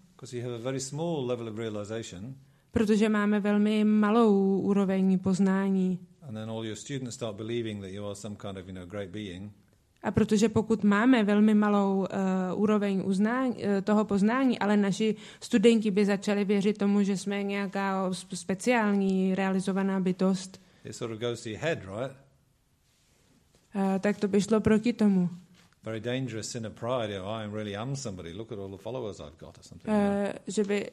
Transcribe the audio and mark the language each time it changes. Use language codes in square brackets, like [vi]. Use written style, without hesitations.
[en] Because you have a very small level of realization. [cs] Protože máme velmi malou úroveň poznání. [en] And then all your students start believing that you are some kind of, you know, great being. [cs] A protože pokud máme velmi malou úroveň uznání, toho poznání, ale naši studenti by začali věřit tomu, že jsme nějaká speciální realizovaná bytost. [en] It sort of goes to your head, right? [cs] Tak to by šlo proti tomu. [en] very dangerous sin of pride. Oh, I really am somebody. Look at all the followers I've got, or something.